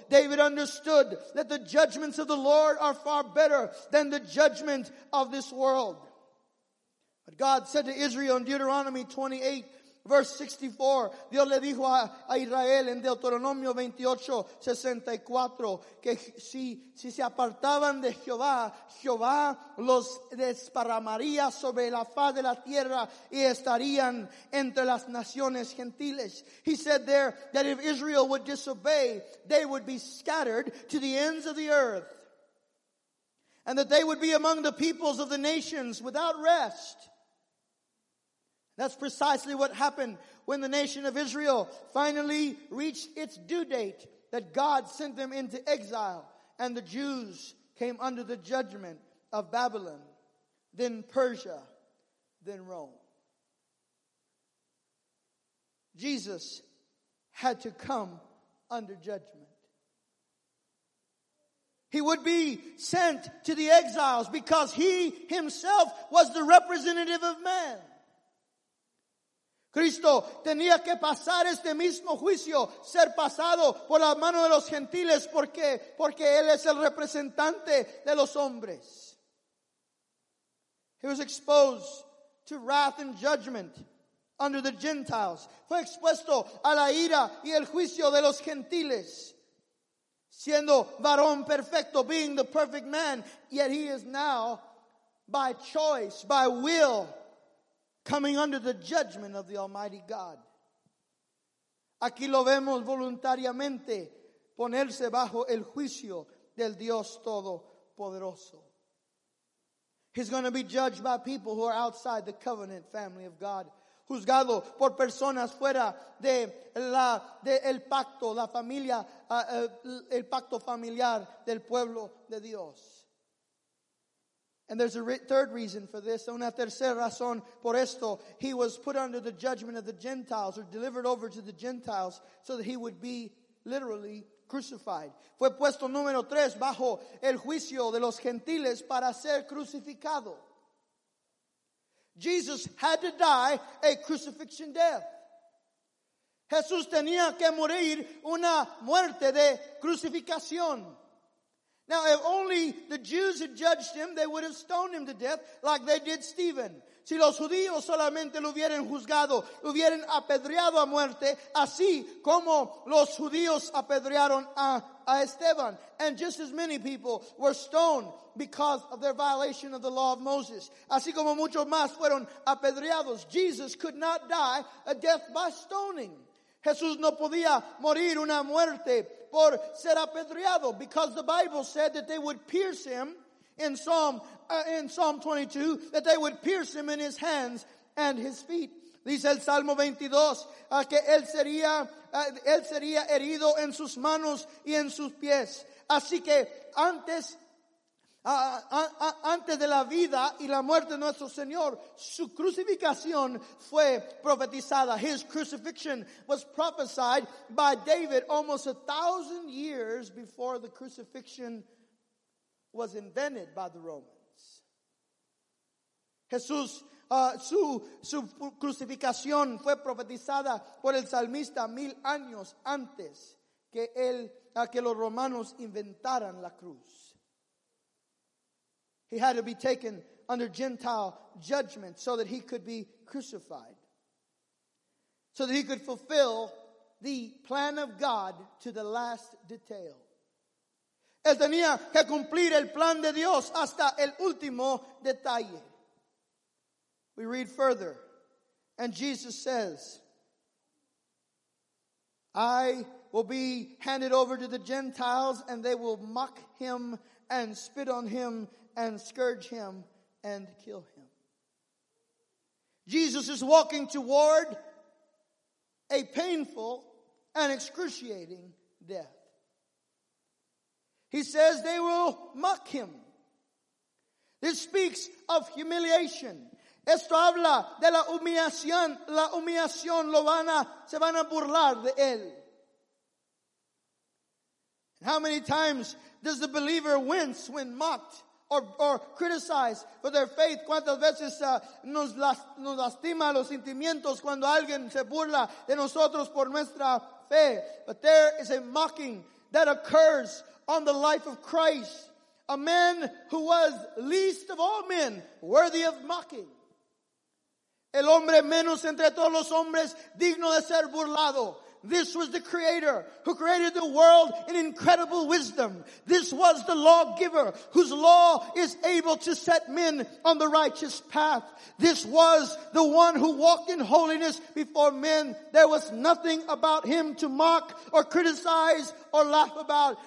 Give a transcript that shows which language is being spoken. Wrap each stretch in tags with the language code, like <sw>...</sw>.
<en>David understood that the judgments of the Lord are far better than the judgment of this world. But God said to Israel in Deuteronomy 28, verse 64,</en> <es>Dios le dijo a Israel en Deuteronomio 28, 64, que si se apartaban de Jehová, Jehová los desparramaría sobre la faz de la tierra y estarían entre las naciones gentiles.</es> <en>He said there that if Israel would disobey, they would be scattered to the ends of the earth. And that they would be among the peoples of the nations without rest. That's precisely what happened when the nation of Israel finally reached its due date, that God sent them into exile, and the Jews came under the judgment of Babylon, then Persia, then Rome. Jesus had to come under judgment. He would be sent to the exiles because he himself was the representative of man.</en> <es>Cristo tenía que pasar este mismo juicio, ser pasado por la mano de los gentiles, porque él es el representante de los hombres.</es> <en>He was exposed to wrath and judgment under the Gentiles.</en> <es>Fue expuesto a la ira y el juicio de los gentiles, siendo varón perfecto,</es> <en>being the perfect man, yet he is now, by choice, by will, coming under the judgment of the Almighty God.</en> <es>Aquí lo vemos voluntariamente ponerse bajo el juicio del Dios Todopoderoso.</es> <en>He's going to be judged by people who are outside the covenant family of God.</en> <es>Juzgado por personas fuera el pacto familiar del pueblo de Dios.</es> <en>And there's a third reason for this.</en> <es>Una tercera razón por esto.</es> <en>He was put under the judgment of the Gentiles, or delivered over to the Gentiles, so that he would be literally crucified.</en> <es>Fue puesto número tres bajo el juicio de los gentiles para ser crucificado.</es> <en>Jesus had to die a crucifixion death.</en> <es>Jesús tenía que morir una muerte de crucificación.</es> <en>Now, if only the Jews had judged him, they would have stoned him to death like they did Stephen.</en> <es>Si los judíos solamente lo hubieran juzgado, lo hubieran apedreado a muerte, así como los judíos apedrearon a Esteban.</es> <en>And just as many people were stoned because of their violation of the law of Moses.</en> <es>Así como muchos más fueron apedreados.</es> <en>Jesus could not die a death by stoning.</en> <es>Jesús no podía morir una muerte por ser apedreado,</es> <en>because the Bible said that they would pierce him in Psalm 22, that they would pierce him in his hands and his feet.</en> <es>Dice el Salmo 22, que él sería herido en sus manos y en sus pies. Así que antes de la vida y la muerte de nuestro Señor, su crucificación fue profetizada.</es> <en>His crucifixion was prophesied by David almost 1,000 years before the crucifixion was invented by the Romans.</en> <es>Jesús, su crucificación fue profetizada por el salmista 1,000 años antes que que los romanos inventaran la cruz.</es> <en>He had to be taken under Gentile judgment so that he could be crucified, so that he could fulfill the plan of God to the last detail.</en> <es>Él tenía que cumplir el plan de Dios hasta el último detalle.</es> <en>We read further, and Jesus says, I will be handed over to the Gentiles, and they will mock him and spit on him and scourge him and kill him. Jesus is walking toward a painful and excruciating death. He says they will mock him. This speaks of humiliation.</en> <es>Esto habla de la humillación. La humillación, se van a burlar de él.</es> <en>How many times does the believer wince when mocked or criticized for their faith?</en> <es>¿Cuántas veces nos lastima los sentimientos cuando alguien se burla de nosotros por nuestra fe?</es> <en>But there is a mocking that occurs on the life of Christ, a man who was least of all men worthy of mocking.</en> <es>El hombre menos entre todos los hombres digno de ser burlado.</es> <en>This was the Creator who created the world in incredible wisdom. This was the lawgiver whose law is able to set men on the righteous path. This was the one who walked in holiness before men. There was nothing about him to mock or criticize or laugh about.</en>